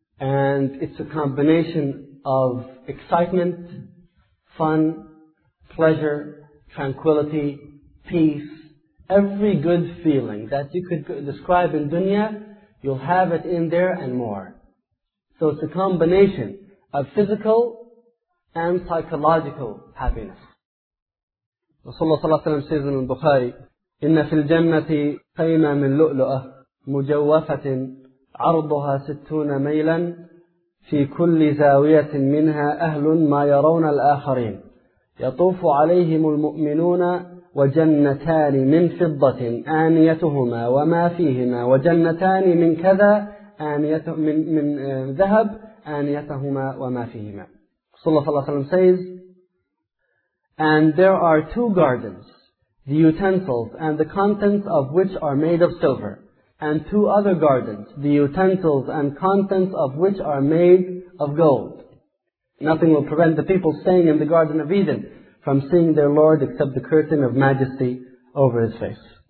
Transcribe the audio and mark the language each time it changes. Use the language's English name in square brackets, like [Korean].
[English] And it's a combination of excitement, fun, pleasure, tranquility, peace. Every good feeling that you could describe in dunya, you'll have it in there and more. So it's a combination of physical and psychological happiness. Rasulullah sallallahu alayhi wa sallam says in Bukhari, [Arabic] إِنَّ فِي الْجَنَّةِ قَيْمَ مِنْ لُؤْلُؤَةٍ مُجَوَّفَةٍ عَرْضُهَا سِتُّونَ مَيْلًا فِي كُلِّ زَاوِيَةٍ مِنْهَا أَهْلٌ مَا يَرَوْنَ الْآخَرِينَ يَطُوفُ عَلَيْهِمُ الْمُؤْمِنُونَ وَجَنَّتَانِ مِنْ فِضَّةٍ آنِيَتُهُمَا وَمَا فِيهِمَا وَجَنَّتَانِ مِنْ كَذَا مِنْ ذَهَبٍ آنِيَتُهُمَا وَمَا فِيهِمَا. [English] Rasulullah sallallahu alayhi wa sallam says, and there are two gardens, the utensils and the contents of which are made of silver, and two other gardens, the utensils and contents of which are made of gold. Nothing will prevent the people staying in the Garden of Eden from seeing their Lord except the curtain of majesty over his face.